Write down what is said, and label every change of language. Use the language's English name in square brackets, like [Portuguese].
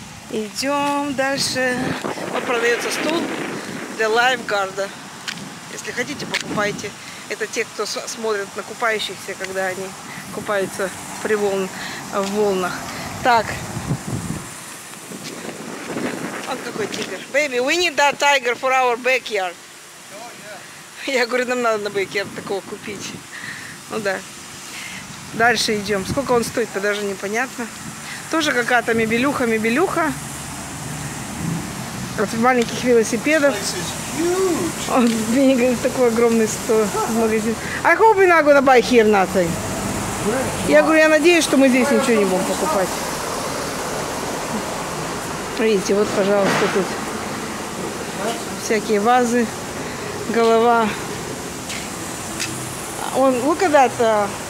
[Russian] Идем дальше. Вот продается стул для лайфгарда. Если хотите, покупайте. Это те, кто смотрит на купающихся, когда они купаются в волнах. Так. Вот какой тигр. [English] Baby, we need that tiger for our backyard. Oh, yeah. [Russian] Я говорю, нам надо на backyard такого купить. Ну да. Дальше идем. Сколько он стоит, то даже непонятно. Тоже какая-то мебелюха. От маленьких велосипедов. Он мне говорит, такой огромный стол в магазин. [English] I hope we're not gonna buy here nothing. [Russian] Я говорю, я надеюсь, что мы здесь ничего не будем покупать. Видите, вот, пожалуйста, тут всякие вазы, голова. Он, [English] look at that.